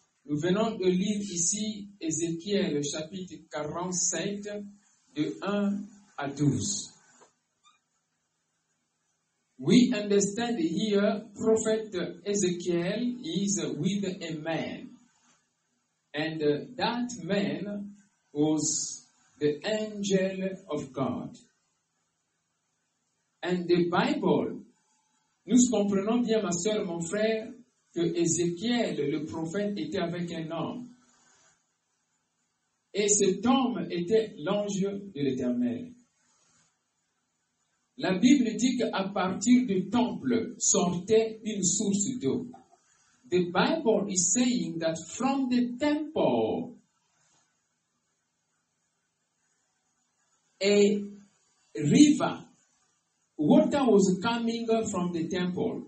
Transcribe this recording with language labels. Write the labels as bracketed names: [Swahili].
[French] Nous venons de lire ici Ézéchiel chapitre 47 de 1 à 12. [English] We understand here prophet Ezekiel is with a man. And that man was the angel of God. And the Bible, [French] nous comprenons bien ma soeur, mon frère, que Ézéchiel, le prophète, était avec un homme. Et cet homme était l'ange de l'Éternel. La Bible dit qu'à partir du temple sortait une source d'eau. [English] The Bible is saying that from the temple, a river, water was coming from the temple.